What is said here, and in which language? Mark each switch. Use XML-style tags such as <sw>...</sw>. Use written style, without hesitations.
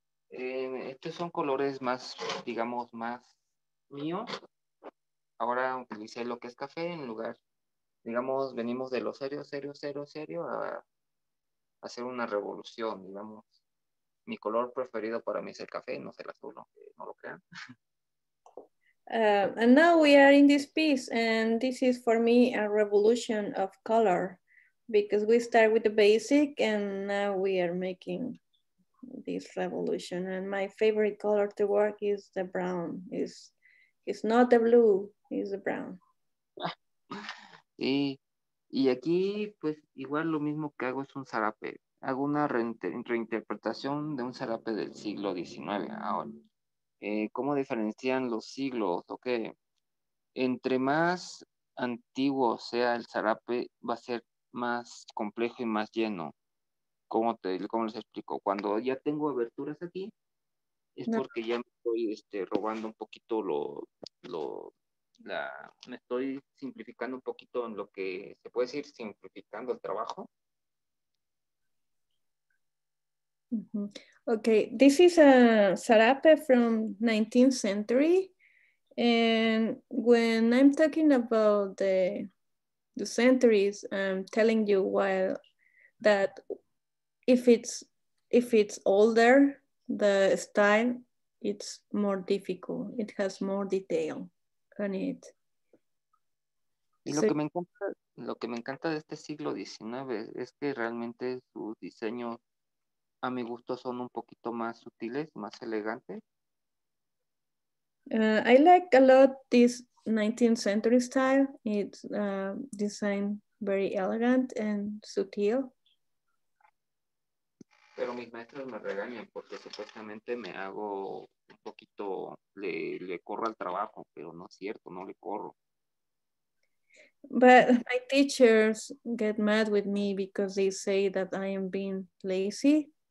<es>Estos son colores más, digamos, más míos. Ahora utilicé lo que es café en lugar, digamos, venimos de lo serio, serio, serio, serio, a hacer una revolución, digamos. Mi color preferido para mí es el café, no es el azul, no lo crean.</es> <en>And now we are in this piece, and this is for me a revolution of color, because we start with the basic and now we are making this revolution. And my favorite color to work is the brown. It's not the blue, it's the brown.</en> <es>Y aquí, pues, igual lo mismo que hago es un zarape. Hago una reinterpretación de un zarape del siglo XIX ahora. ¿Cómo diferencian los siglos? Ok, entre más antiguo sea el zarape, va a ser más complejo y más lleno. ¿Cómo les explico? Cuando ya tengo aberturas aquí, es no. Porque ya me estoy robando un poquito me estoy simplificando un poquito en lo que se puede decir, simplificando el trabajo. Mm-hmm.</es> <en>Okay, this is a zarape from 19th century, and when I'm talking about the centuries, I'm telling you that if it's older, the style, it's more difficult. It has more detail on it.</en> <es>Lo que me encanta de este siglo XIX es que realmente su diseño, a mi gusto, son un poquito más sutiles, más elegantes.</es> <en>I like a lot this 19th century style. It's designed very elegant and sutil.</en> <es>Pero mis maestros me regañan porque supuestamente me hago un poquito, le corro al trabajo, pero no es cierto, no le corro.</es> <en>But my teachers get mad with me because they say that I am being lazy.</en>